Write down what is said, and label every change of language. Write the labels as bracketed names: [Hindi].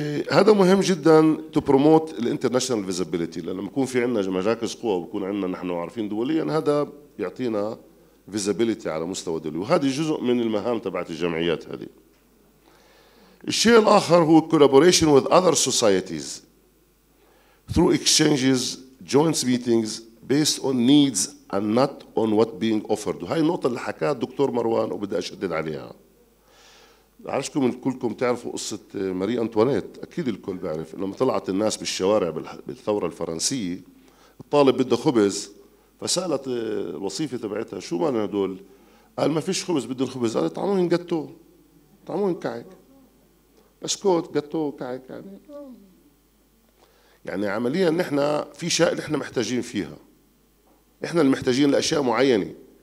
[Arabic] هذا مهم جدا [English] to promote the international visibility [Arabic] لأنه بكون في عنا مراكز قوة وبكون عنا نحن عارفين دوليا هذا يعطينا visibility على مستوى دولي وهذا جزء من المهام تبعت الجمعيات هذه. الشيء الآخر هو [English] collaboration with other societies through exchanges, joint meetings based on needs and not on what being offered. [Arabic] هاي النقطة اللي حكاها الدكتور مروان وبدأ أشدد عليها. عارفكم كلكم تعرفوا قصة ماري أنتوانيت أكيد الكل بعرف لما طلعت الناس بالشوارع بالثورة الفرنسية الطالب بده خبز فسألت الوصيفة تبعتها شو مالنا هدول قال ما فيش خبز بدهن خبز قال طعموهن جاتو طعموهن كعك بسكوت جاتو كعك يعني عمليا نحن في شيء نحن محتاجين فيها احنا المحتاجين لأشياء معينة.